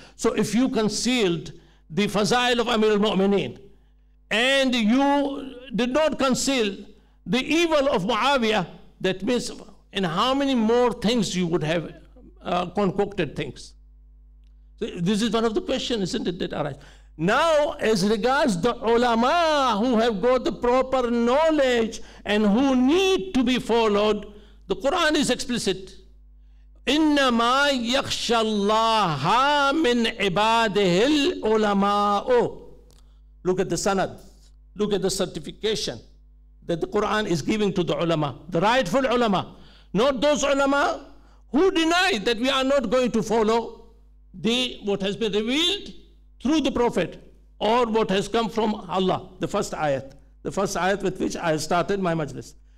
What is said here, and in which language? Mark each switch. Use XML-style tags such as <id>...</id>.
<en>So if you concealed the fazail of Amir al-Mu'mineen and you did not conceal the evil of Muawiyah, that means in how many more things you would have concocted things. So this is one of the questions, isn't it, that arise. Now, as regards the ulama who have got the proper knowledge and who need to be followed, the Quran is explicit.</en> <ar>إنما يخشى الله من عباده العلماء.</ar> <en>Look at the sanad. Look at the certification that the Quran is giving to the ulama, the rightful ulama, not those ulama who deny that we are not going to follow the what has been revealed through the Prophet or what has come from Allah, the first ayat with which I started my majlis.</en>